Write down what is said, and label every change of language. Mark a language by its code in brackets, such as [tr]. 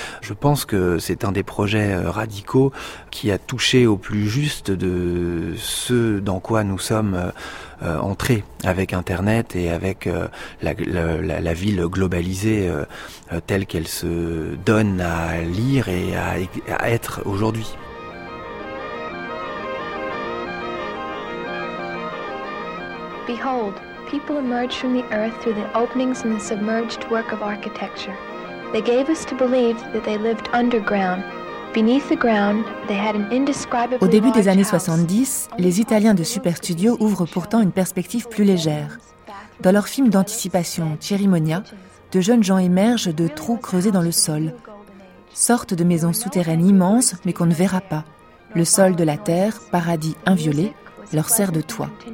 [fr] Je pense que c'est un des projets radicaux qui a touché au plus juste de ce dans quoi nous sommes entrés avec Internet et avec la ville globalisée telle qu'elle se donne à lire et à être aujourd'hui. [en] Behold, people emerged from the earth through the openings in the submerged work of architecture. They gave us to believe that they lived underground. [fr] Au début des années 70, les Italiens de Superstudio ouvrent pourtant une perspective plus légère. Dans leur film d'anticipation, Cerimonia, de jeunes gens émergent de trous creusés dans le sol. Sorte de maison souterraine immense, mais qu'on ne verra pas. Le sol de la terre, paradis inviolé, leur sert de toit.